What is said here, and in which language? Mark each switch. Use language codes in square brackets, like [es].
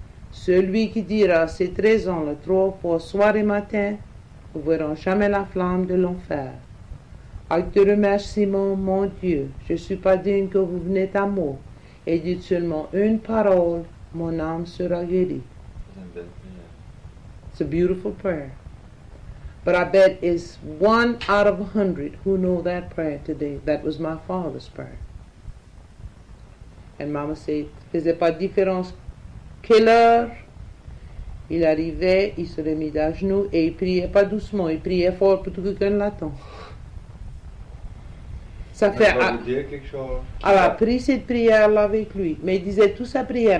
[fr] Celui qui dira ces trois ans, le trois fois, soir et matin, ne verra jamais la flamme de l'enfer. Acte de remerciement, mon Dieu, je ne suis pas digne que vous venez à moi. Et dites seulement une parole, mon âme sera guérie. [en] It's a beautiful prayer. But I bet it's 1 out of 100 who know that prayer today. That was my father's prayer. And Mama said, [fr] faisait pas de différence quelle heure, Il arrivait, il se remit à genoux et il priait pas doucement, il priait fort pour que quelqu'un l'attende. Ça Il fait. va vous dire quelque chose. Elle a pris cette prière-là avec lui. Mais il disait toute sa prière.